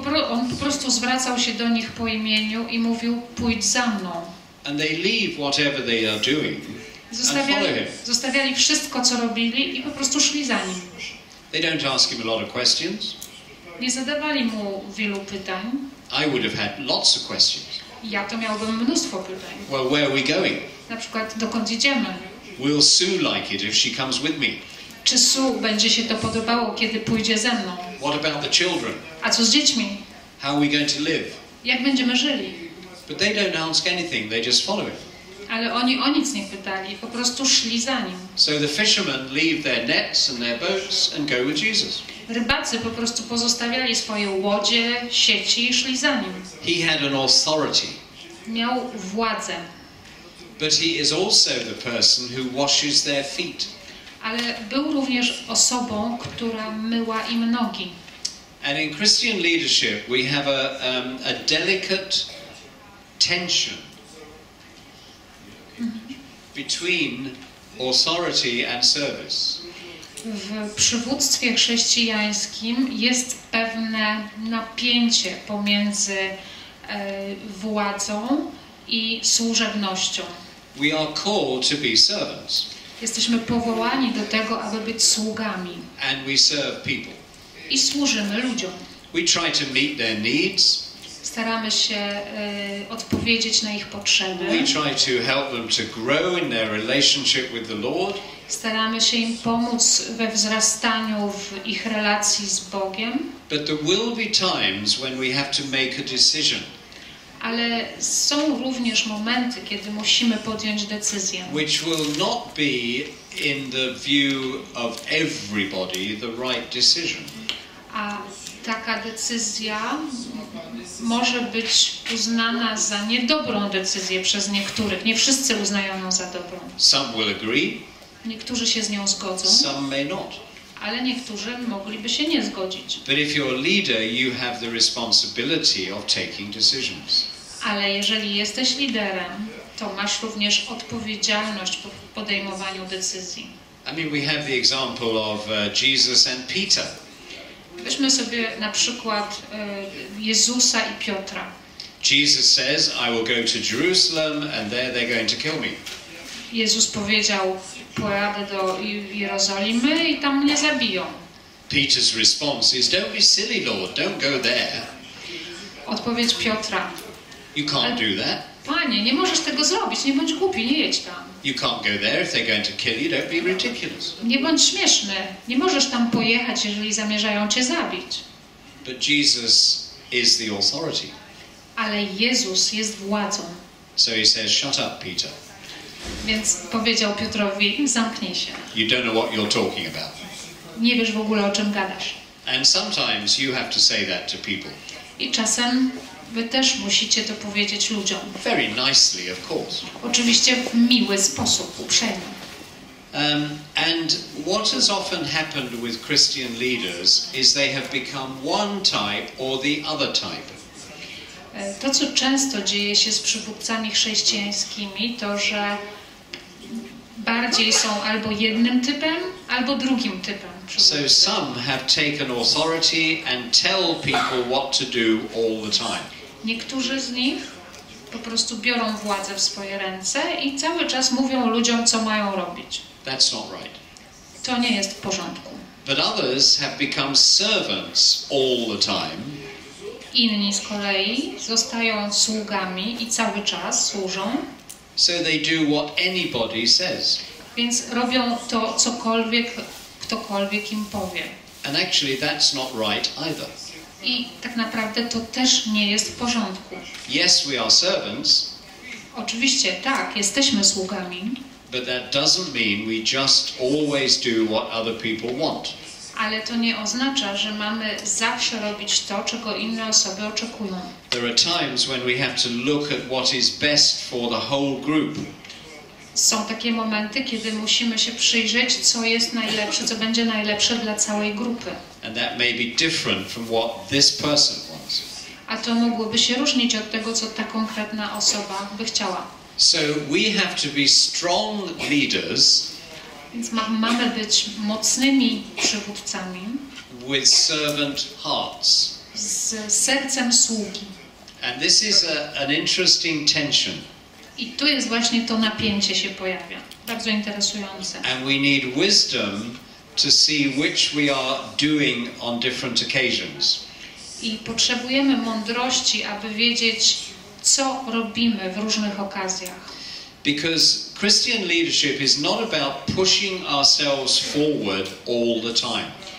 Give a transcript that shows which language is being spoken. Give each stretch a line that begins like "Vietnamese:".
Polish: On po prostu zwracał się do nich po imieniu i mówił, pójdź za mną.
English: And they leave whatever they are doing.
Polish: Zostawiali wszystko, co robili i po prostu szli za nim.
English: They don't ask him a lot of questions.
Polish: Nie zadawali mu wielu pytań.
English: I would have had lots of questions.
Polish: Ja to miałbym mnóstwo pytań.
English: Well, where are we going?
Polish: Na przykład, dokąd idziemy?
English: Will Sue like it if she comes with me?
Polish: Czy Sue będzie się to podobało, kiedy pójdzie ze mną?
English: What about the children?
Polish: A co z dziećmi?
English: How are we going to live?
Polish: Jak będziemy żyli?
English: But they don't ask anything, they just follow him.
Polish: Ale oni o nic nie pytali, po prostu szli za nim.
English: So the fishermen leave their nets and their boats and go with Jesus.
Polish: Rybacy po prostu pozostawiali swoje łodzie, sieci i szli za nim.
English: He had an authority.
Polish: Miał władzę.
English: But he is also the person who washes their feet.
Polish: Ale był również osobą, która myła im nogi.
English: And in Christian leadership we have a delicate tension between authority and service.
Polish: W przywództwie chrześcijańskim jest pewne napięcie pomiędzy władzą i służebnością.
English: We are called to be servants.
Polish: Jesteśmy powołani do tego, aby być sługami.
English: And we serve people.
Polish: I służymy ludziom.
English: We try to meet their needs.
Polish: Staramy się odpowiedzieć na ich potrzeby.
English: We try to help them to grow in their relationship with the Lord.
Polish: Staramy się im pomóc we wzrastaniu w ich relacji z Bogiem.
English: But there will be times when we have to make a decision.
Polish: Ale są również momenty, kiedy musimy podjąć decyzję.
English: Which will not be in the view of everybody the right decision.
Polish: A taka decyzja może być uznana za niedobrą decyzję przez niektórych. Nie wszyscy uznają ją za dobrą.
English: Some will agree.
Polish: Niektórzy się z nią zgodzą.
English: Some may not.
Polish: Ale niektórzy mogliby się nie zgodzić.
English: But if you're a leader, you have the responsibility of taking decisions.
Polish: Ale jeżeli jesteś liderem, to masz również odpowiedzialność po podejmowaniu decyzji.
English: I mean, we have the example of Jesus and Peter.
Polish: Weźmy sobie na przykład Jezusa i Piotra.
English: Jesus says, I will go to Jerusalem and there they're going to kill me.
Polish: Jezus powiedział, pojadę do Jerozolimy i tam mnie zabiją.
English: Peter's response is, don't be silly, Lord, don't go there.
Polish: Odpowiedź Piotra.
English: You can't do that.
Polish: Panie, nie możesz tego zrobić, nie bądź głupi, nie jedź tam.
English: You can't go there if they're going to kill you, don't be ridiculous.
Polish: Nie bądź śmieszny, nie możesz tam pojechać, jeżeli zamierzają cię zabić.
English: But Jesus is the authority.
Polish: Ale Jezus jest władzą.
English: So he says, shut up, Peter.
Polish: Więc powiedział Piotrowi, zamknij się.
English: You don't know what you're talking about.
Polish: Nie wiesz w ogóle, o czym gadasz.
English: And sometimes you have to say that to people.
Polish: I czasem wy też musicie to powiedzieć ludziom.
English: Very nicely, of course.
Polish: Oczywiście w miły sposób, uprzejmie.
English: And what has often happened with Christian leaders is they have become one type or the other type.
Polish: To, co często dzieje się z przywódcami chrześcijańskimi, to, że bardziej są albo jednym typem, albo drugim typem.
English: So some have taken authority and tell people what to do all the time.
Polish: Niektórzy z nich po prostu biorą władzę w swoje ręce i cały czas mówią ludziom, co mają robić.
English: That's not right.
Polish: To nie jest w porządku.
English: But others have become servants all the time.
Polish: Inni z kolei zostają sługami i cały czas służą.
English: So they do what anybody says.
Polish: Więc robią to, cokolwiek ktokolwiek im powie.
English: And actually that's not right either.
Polish: I tak naprawdę to też nie jest w porządku.
English: Yes, we are servants.
Polish: Oczywiście tak, jesteśmy sługami.
English: But that doesn't mean we just always do what other people want.
Polish: Ale to nie oznacza, że mamy zawsze robić to, czego inne osoby oczekują.
English: There are times when we have to look at what is best for the whole group.
Polish: Są takie momenty, kiedy musimy się przyjrzeć, co jest najlepsze, co będzie najlepsze dla całej grupy.
English: And that may be different from what this person wants.
Polish: A to mogłoby się różnić od tego, co ta konkretna osoba by chciała.
English: So we have to be strong leaders.
Polish: Więc mamy być mocnymi przywódcami.
English: With servant hearts.
Polish: Z sercem sługi.
English: And this is an interesting tension.
Polish: I tu jest właśnie to napięcie się pojawia. Bardzo interesujące.
English: And we need wisdom to see which we are doing on different occasions.
Polish: I potrzebujemy mądrości, aby wiedzieć, co robimy w różnych okazjach.
English: Because Christian leadership is not about pushing ourselves forward all the time.